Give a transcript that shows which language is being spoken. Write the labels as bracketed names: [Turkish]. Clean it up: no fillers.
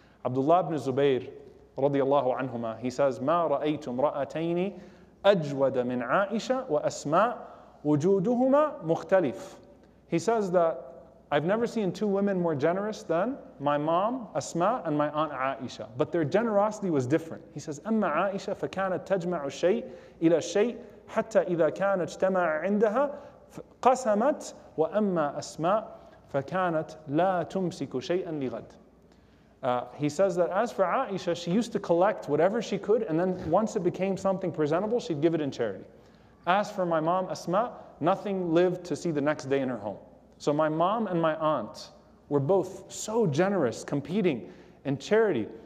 [Arabic] Abdullah ibn Zubayr radiallahu anhuma, [English] he says, [Arabic] ما رأيت امرأتين أجود من عائشة وأسماء وجودهما مختلف. [English] He says that I've never seen two women more generous than my mom Asma and my aunt Aisha, but their generosity was different. [Arabic] He says, أما عائشة فكانت تجمع شيء إلى شيء حتى إذا كان اجتمع عندها قسمت وأما أسماء فكانت لا تمسك شيئا لغد. [English] He says that as for Aisha, she used to collect whatever she could, and then once it became something presentable, she'd give it in charity. As for my mom Asma, nothing lived to see the next day in her home. So my mom and my aunt were both so generous, competing in charity.